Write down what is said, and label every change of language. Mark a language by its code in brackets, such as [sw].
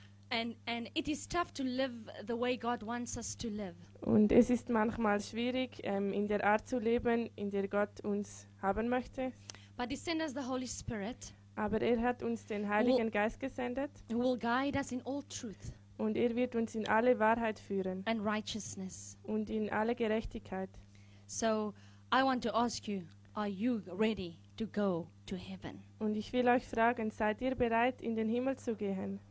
[en] And it is tough to live the way God wants us to live. [de] Und es ist manchmal schwierig, in der Art zu leben, in der Gott uns haben möchte. [en] But He sent us the Holy Spirit. [de] Aber hat uns den Heiligen Geist gesendet. [en] Who will guide us in all truth. [de] Und wird uns in alle Wahrheit führen. [en] And righteousness. [de] Und in alle Gerechtigkeit. [en] So I want to ask you, are you ready to go to heaven? [de] Und ich will euch fragen, seid ihr bereit, in den Himmel zu gehen?